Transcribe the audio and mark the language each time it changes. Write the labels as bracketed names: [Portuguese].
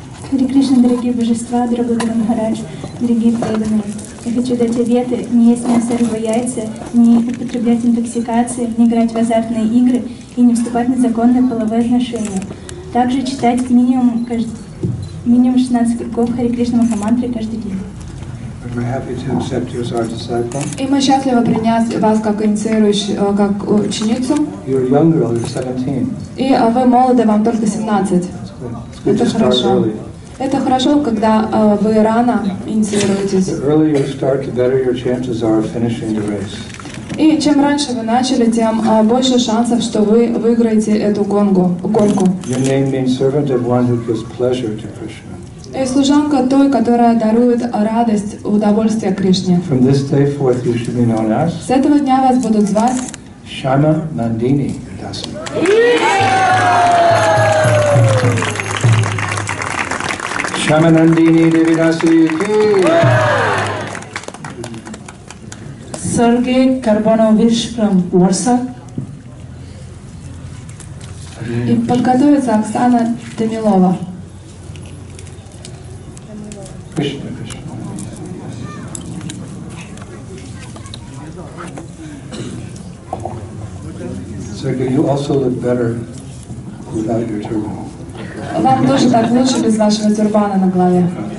[Russian] Hare Krishna, дорогие божества, дорогой Махарадж, дорогие преданные. Я хочу дать обеты не есть мясо рыбы яйца, не употреблять интоксикации, не играть в азартные игры и не вступать на законные половые отношения. Также читать минимум 16 кругов Хари Кришна Махамантры каждый день. [English] We're happy to accept you as our disciple. [Russian] И мы счастливы принять вас как инициирующую, как ученицу. [English] You're a young girl, you're 17. [Russian] И вы молоды, вам только 17. Это хорошо. Это хорошо, когда вы рано инициируетесь. И чем раньше вы начали, тем больше шансов, что вы выиграете эту гонку. [English] Your name means servant of one who gives pleasure to Krishna. [Russian] И служанка той, которая дарует радость, удовольствие Кришне. [English] From this day forth, you should be known as. [Russian] С этого дня вас будут звать. [English] Shyama Nandini Dasi. Shamanandini Devidasi Ki. Sergey Karbonovich from Warsaw. [Russian] И подготовится Оксана Данилова. [English] Sergey, you also look better without your turban. [Russian] Вам тоже так лучше без вашего тюрбана на голове.